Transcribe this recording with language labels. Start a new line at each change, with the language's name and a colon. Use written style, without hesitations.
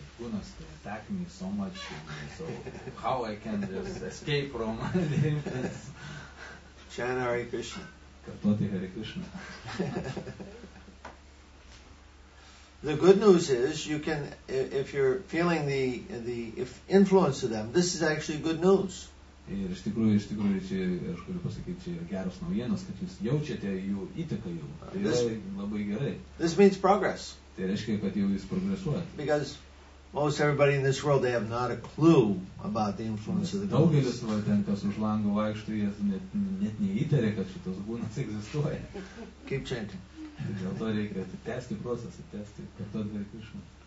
English: Gunas, they attack me so much, so how I can just escape from the influence? Chant Hare Krishna.
Lithuanian: Kartoti Hare Krishna.
English: The good news is, you can, if you're feeling the influence of them, this is actually good news.
Lithuanian: Ir iš tikrųjų, čia, aš galiu pasakyti, čia geros naujienos, kad jūs jaučiate jų įtaką jau. Labai gerai.
English: This means progress.
Lithuanian: Tai reiškia, kad jau jūs progresuojate.
English: Because most everybody in this world, they have not a clue about the influence of the gunas.
Lithuanian: Daugelis ten, kas už lango vaikšto, jie net neįtarė, kad šitos gunas egzistuoja.
English: Keep chanting.
Lithuanian: Dėl to reikia tęsti procesą, tęsti kartu Hare Krishna.